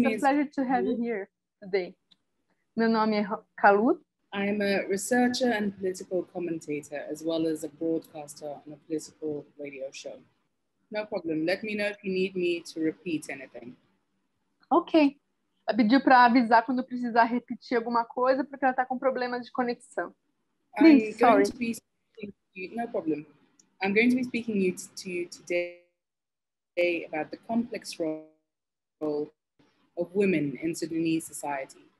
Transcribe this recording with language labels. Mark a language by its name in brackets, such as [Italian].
[English] It's a pleasure to have you here today. [Portuguese] Meu nome é Khalud. [English] I'm a researcher and political commentator, as well as a broadcaster on a political radio show. No problem. Let me know if you need me to repeat anything. Okay. [Portuguese] Ela pediu para avisar quando precisar repetir alguma coisa, porque ela está com problemas de conexão. [English] I'm going to be speaking to you today about the complex role of women in Sudanese society.